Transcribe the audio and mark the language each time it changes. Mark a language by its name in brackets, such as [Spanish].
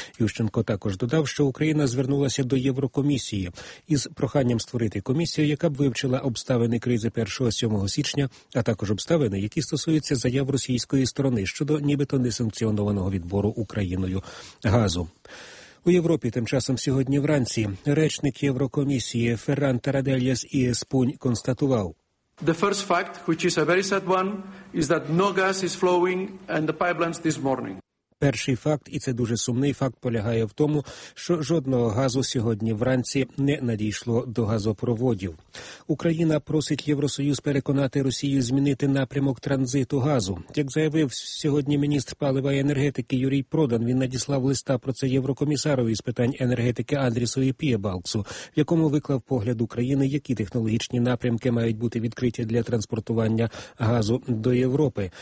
[Ukrainian] Ющенко також додав, що Україна звернулася до Єврокомісії із проханням створити комісію, яка б вивчила обставини кризи 1-7 січня, а також обставини, які стосуються заяв російської сторони щодо нібито несанкціонованого відбору Україною газу. У Європі тим часом сьогодні вранці речник Єврокомісії Ферран Тараделлас і Еспунь констатував. [English] The first fact, which is a very sad one, is that no gas is flowing and the pipelines this morning. [Ukrainian] Перший факт, і це дуже сумний факт, полягає в тому, що жодного газу сьогодні вранці не надійшло до газопроводів. Україна просить Євросоюз переконати Росію змінити напрямок транзиту газу. Як заявив сьогодні міністр палива і енергетики Юрій Продан, він надіслав листа про це Єврокомісарові з питань енергетики Андрісові Пієбалксу, в якому виклав погляд України, які технологічні напрямки мають бути відкриті для транспортування газу до Європи.